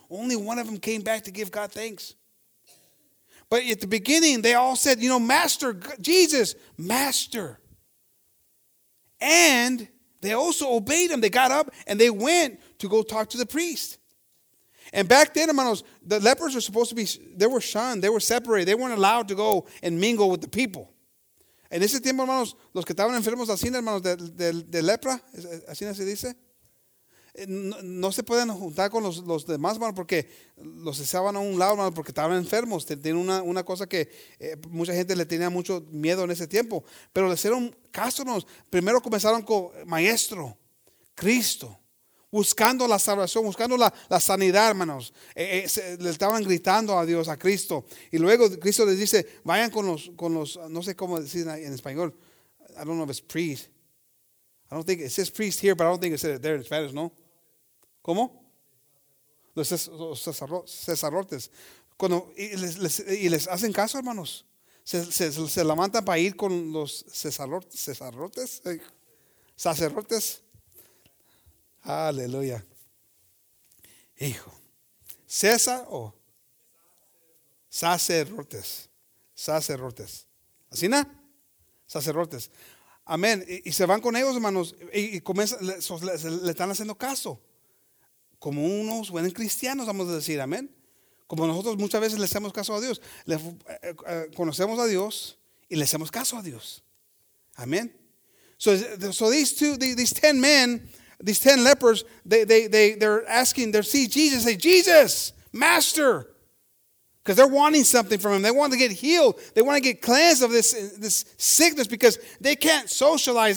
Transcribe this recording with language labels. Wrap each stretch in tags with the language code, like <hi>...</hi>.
<en>Only one of them came back to give God thanks. But at the beginning, they all said, you know, Master, Jesus, Master. And they also obeyed him. They got up and they went to go talk to the priest. And back then, hermanos, the lepers were supposed to be, they were shunned. They were separated. They weren't allowed to go and mingle with the people.</en> <es>En ese tiempo, hermanos, los que estaban enfermos, así, hermanos, de lepra, así se dice, no se pueden juntar con los demás, hermanos, porque los estaban a un lado, hermanos, porque estaban enfermos. Tienen una cosa que mucha gente le tenía mucho miedo en ese tiempo. Pero le hicieron caso, hermanos. Primero comenzaron con Maestro, Cristo, buscando la salvación, buscando la sanidad, hermanos. Le estaban gritando a Dios, a Cristo. Y luego Cristo les dice, vayan con los, no sé cómo decir en español,</es> <en>I don't know if it's priest. I don't think it says priest here, but I don't think it says it there in Spanish, no?</en> <es>¿Cómo? Los sacerdotes. Cuando, y les hacen caso, hermanos. Se levantan para ir con los sacerdotes. Aleluya. Hijo. César o sacerdotes. Sacerdotes. ¿Así na? Sacerdotes. Amén. Y se van con ellos, hermanos. Y comienzan, le están haciendo caso. Como unos buenos cristianos, vamos a decir, amén. Como nosotros muchas veces le hacemos caso a Dios. Conocemos a Dios y le hacemos caso a Dios. Amén.</es> <en>So these ten lepers, they're asking, they see Jesus, say, Jesus, Master. Because they're wanting something from him. They want to get healed. They want to get cleansed of this sickness because they can't socialize.</en>